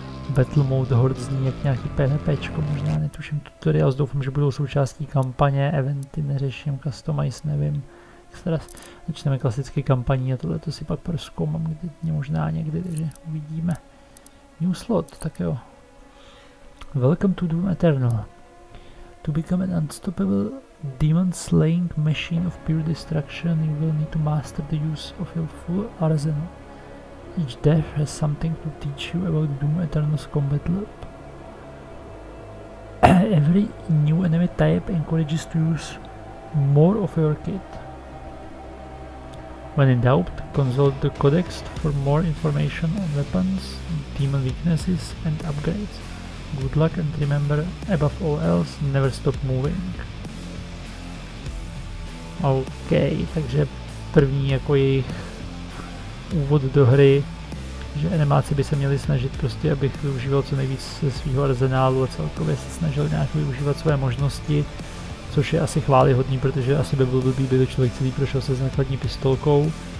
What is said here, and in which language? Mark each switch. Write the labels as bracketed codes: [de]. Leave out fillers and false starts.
[cs] Battle Mode Horde zní jak nějaký PvPčko možná, netuším tutoriál, doufám, že budou součástí kampaně, eventy neřeším, customize, nevím. Teraz začneme klasicky kampaní a tohle to si pak prozkoumám možná někdy, takže uvidíme. [en] New slot, [cs] tak jo. [en] Welcome to Doom Eternal. To become an unstoppable demon slaying machine of pure destruction, you will need to master the use of your full arsenal. Each death has something to teach you about Doom Eternal's combat loop. Every new enemy type encourages to use more of your kit. When in doubt, consult the codex for more information on weapons, demon weaknesses and upgrades. Good luck and remember, above all else, never stop moving. [cs] OK, takže první jako jejich úvod do hry, že animáci by se měli snažit prostě, abych využíval co nejvíc ze svého arzenálu a celkově se snažil nějak využívat své možnosti, což je asi chvályhodný, protože asi by byl blbý, kdyby člověk celý prošel se základní pistolkou,